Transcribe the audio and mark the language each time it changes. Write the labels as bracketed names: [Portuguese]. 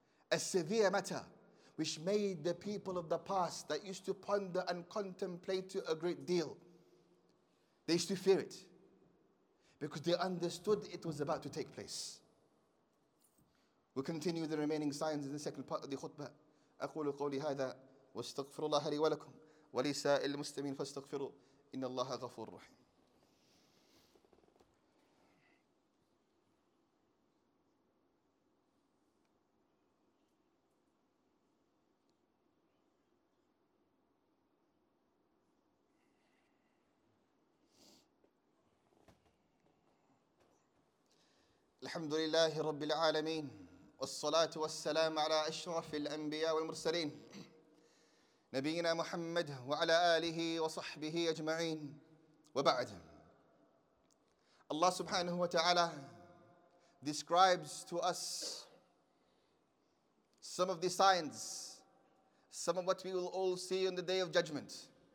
[English] A severe matter which made the people of the past that used to ponder and contemplate to a great deal. They used to fear it because they understood it was about to take place. We'll continue the remaining signs in the second part of the khutbah. [Arabic] أقول قولي هذا واستغفر الله لي ولكم ولسائر المسلمين فاستغفروا إن الله غفور رحيم. الحمد لله رب العالمين والصلاة والسلام على أشرف الأنبياء والمرسلين نبينا محمد وعلى آله وصحبه أجمعين وبعد. [English] Allah subhanahu wa ta'ala describes to us some of the signs, some of what we will all see on the day of judgment.